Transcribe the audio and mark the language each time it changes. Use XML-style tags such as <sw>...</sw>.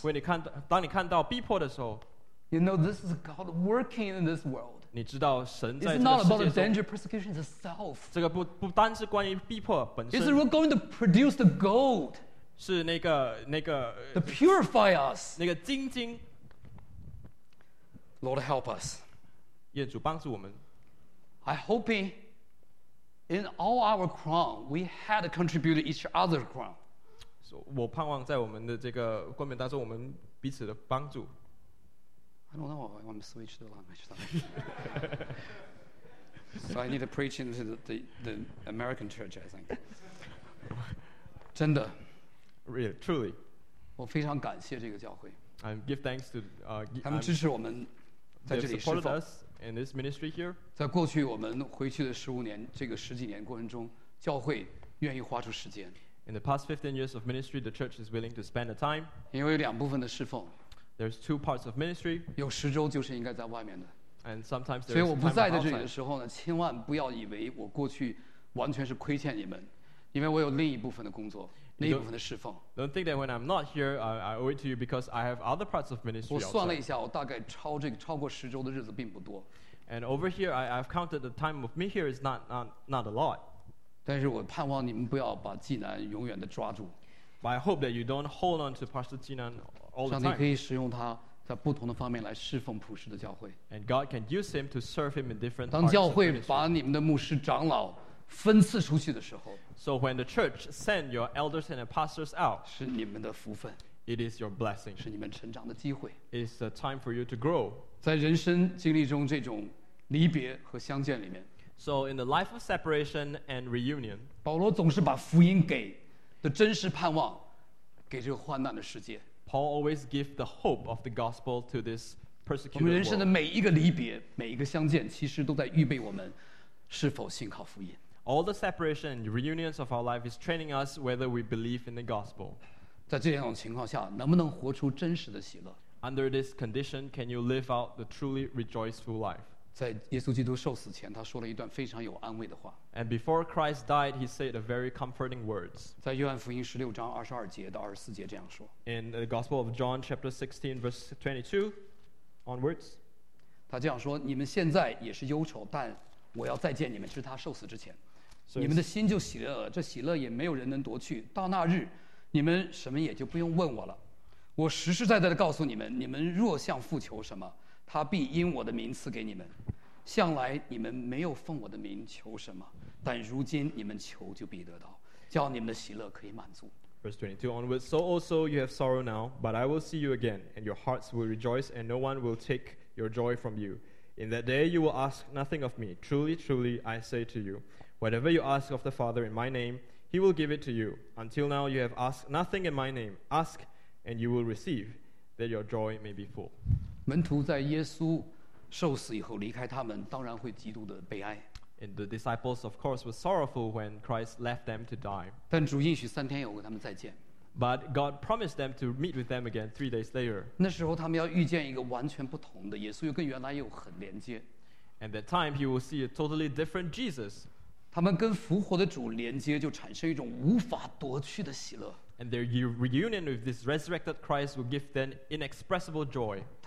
<en>when</en> <zh>你看到当你看到逼迫的时候，</zh> <en>you know this is God working in this world.</en> <zh>你知道神在这个世界中。</zh> <en>It's not about the danger, persecution itself.</en> <zh>这个不单是关于逼迫本身。</zh> <en>It's we're going to produce the gold.</en> <zh>是那个</zh> <en>to purify us.</en> <zh>那个金晶。</zh> <en>Lord help us.</en> <zh>愿主帮助我们。</zh> <en>I hope in all our crown we had contributed each other's crown.</en> <zh>我盼望在我们的这个冠冕当中我们彼此的帮助。</zh> <en>I don't know, I want to switch the language. So I need to preach into the American church, I think.</en> <zh>真的。</zh> <en>Really, truly.</en> <zh>我非常感谢这个教会。</zh> <en>I give thanks to.</en> <zh>他们支持我们在这里侍奉。</zh> <en>They supported us in this ministry here.</en> <zh>在过去我们回去的十五年，这个十几年过程中，教会愿意花出时间。</zh> <en>In the past 15 years of ministry, the church is willing to spend the time.</en> <zh>因为有两部分的侍奉。</zh> <en>There's two parts of ministry.</en> <zh>有十周就是应该在外面的。</zh> <en>And sometimes</en> <zh>所以我不在这里的时候呢，千万不要以为我过去完全是亏欠你们，因为我有另一部分的工作，另一部分的侍奉。</zh> <en>Don't think that when I'm not here, I owe it to you because I have other parts of ministry.</en> <zh>我算了一下，我大概超过十周的日子并不多。</zh> <en>And over here, I've counted the time of me here is not a lot.</en> <zh>但是我盼望你们不要把济南永远的抓住。</zh> <en>But I hope that you don't hold on to Pastor Jinan all the time.</en> <zh>上帝可以使用他。在不同的方面来侍奉普世的教会。</zh> <en>And God can use him to serve him in different parts.</en> <zh>当教会把你们的牧师长老分赐出去的时候，</zh> <en>So when the church send your elders and pastors out,</en> <zh>是你们的福分。</zh> <en>It is your blessing.</en> <zh>是你们成长的机会。</zh> <en>It's the time for you to grow.</en> <zh>在人生经历中这种离别和相见里面，</zh> <en>So in the life of separation and reunion,</en> <zh>保罗总是把福音给的真实盼望给这个患难的世界。</zh> <en>Paul always gives the hope of the gospel to this persecuted world.</en> <zh>我们人生的每一个离别，每一个相见，其实都在预备我们是否信靠福音。</zh> <en>All the separation and reunions of our life is training us whether we believe in the gospel.</en> <zh>在这种情况下，能不能活出真实的喜乐？</zh> <en>Under this condition, can you live out the truly rejoiceful life?</en> <zh>在耶稣基督受死前，他说了一段非常有安慰的话。</zh> <en>And before Christ died, he said a very comforting words.</en> <zh>在约翰福音十六章二十二节到二十四节这样说。</zh> <en>In the Gospel of John, chapter 16, verse 22, onwards.</en> <zh>他这样说：“你们现在也是忧愁，但我要再见你们，就是他受死之前，你们的心就喜乐了。这喜乐也没有人能夺去。到那日，你们什么也就不用问我了。我实实在在的告诉你们，你们若向父求什么。” 他必因我的名赐给你们。向来你们没有奉我的名求什么，但如今你们求就必得到，叫你们的喜乐可以满足。</zh> <en>Verse 22 onwards, so also you have sorrow now, but I will see you again, and your hearts will rejoice, and no one will take your joy from you. In that day you will ask nothing of me. Truly, truly, I say to you, whatever you ask of the Father in my name, he will give it to you. Until now you have asked nothing in my name. Ask, and you will receive, that your joy may be full.</en> <zh>门徒在耶稣受死以后离开他们，当然会极度的悲哀。</zh> <en>And the disciples, of course, were sorrowful when Christ left them to die.</en> <zh>但主应许三天以后跟他们再见。</zh> <en>But God promised them to meet with them again 3 days later.</en> <zh>那时候他们要遇见一个完全不同的耶稣，又跟原来又很连接。</zh> <en>And that time he will see a totally different Jesus.</en> <zh>他们跟复活的主连接，就产生一种无法夺去的喜乐。</zh> <en>And their reunion with this resurrected Christ will give them inexpressible joy.</en>